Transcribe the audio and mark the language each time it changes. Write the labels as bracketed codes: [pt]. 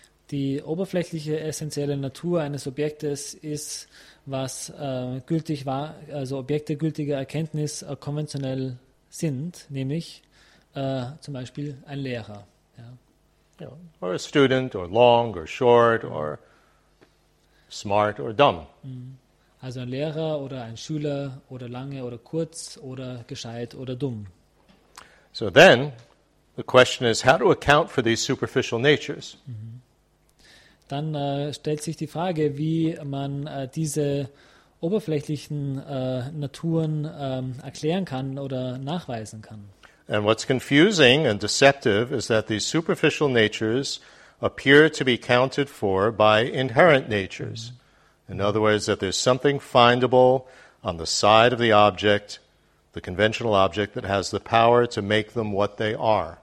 [de] Die oberflächliche essentielle Natur eines Objektes ist, was gültig war, also Objekte gültiger Erkenntnis konventionell sind, nämlich zum Beispiel ein Lehrer. Ja. [en] Yeah. Or a student, or long, or short, or smart, or dumb. [de] Also ein Lehrer oder ein Schüler oder lange oder kurz oder gescheit oder dumm. [en] So then, the question is, how to account for these superficial natures? [de] Dann stellt sich die Frage, wie man diese oberflächlichen Naturen erklären kann oder nachweisen kann. [en] And what's confusing and deceptive is that these superficial natures appear to be counted for by inherent natures. In other words, that there's something findable on the side of the object, the conventional object, that has the power to make them what they are.